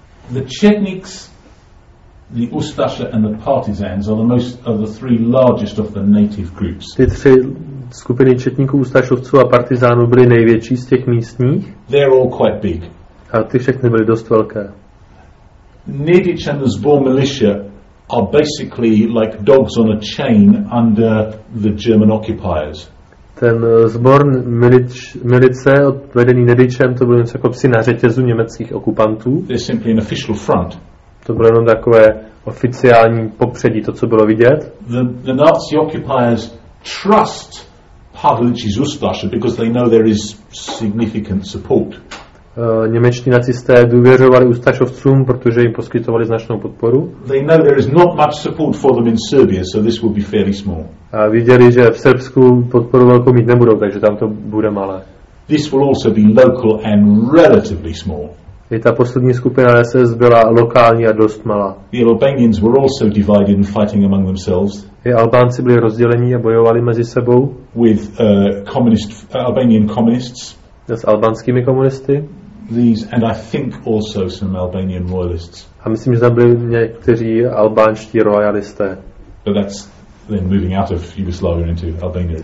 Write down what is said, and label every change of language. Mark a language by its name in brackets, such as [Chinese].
[English] The Chetniks, the Ustasha and the Partisans are the three largest of the native groups. [Czech] Ty tři skupiny četníků, ustašovců a partizánů byly největší z těch místních. [English] They're all quite big. [Czech] A ty všechny byly dost velké. [English] Nedič and the Zbor militia are basically like dogs on a chain under the German occupiers. [Czech] Ten zbor milice vedený Nedičem, to byl něco jako psi na řetězu německých okupantů. [English] They're simply an official front. [Czech] To bylo jenom takové oficiální popředí, to, co bylo vidět. [English] The Nazi occupiers trust Pavlovich's Ustasha because they know there is significant support. [Czech] Němečtí nacisté důvěřovali Ustašovcům, protože jim poskytovali značnou podporu. [English] They know there is not much support for them in Serbia, so this will be fairly small. [Czech] A viděli, že v Srbsku podporu velkou mít nebudou, takže tam to bude malé. [English] This will also be local and relatively small. [Czech] I ta poslední skupina SS byla lokální a dost malá. [English] The Albanians were also divided and fighting among themselves. [Czech] I Albánci byli rozděleni a bojovali mezi sebou. [English] With Albanian communists. [Czech] S albánskými komunisty. [English] These and I think also some Albanian royalists. [Czech] A myslím, že tam byli někteří albánští royalisté. [English] But that's then moving out of Yugoslavia into Albania.